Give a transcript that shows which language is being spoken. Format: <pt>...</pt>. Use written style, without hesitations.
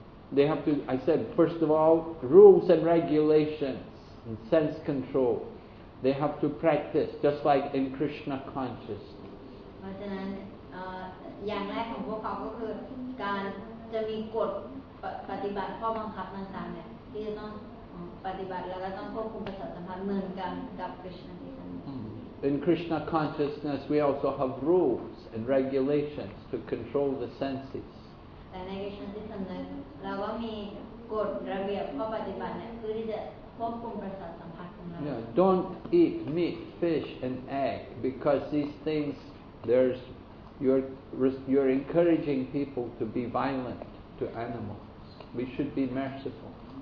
<en>They have to, I said, first of all, rules and regulations and sense control. They have to practice, just like in Krishna consciousness.</en> <th>เพราะฉะนั้นอย่างแรกของพวกเขาก็คือการจะมีกฎปฏิบัติข้อบังคับต่างๆเนี่ยที่จะต้องปฏิบัติแล้วก็ต้องควบคุมประสาทสัมผัสเหมือนกันกับ Krishna consciousness.</th> <en>In Krishna consciousness, we also have rules and regulations to control the senses.</en> <th>แต่ในกิจสิทธิ์เราก็มีกฎระเบียบข้อปฏิบัติเนี่ยคือที่จะควบคุมประสาทสัมผัสของเรา</th> <en>Yeah, don't eat meat, fish, and egg because these things there's you're encouraging people to be violent to animals. We should be merciful.</en>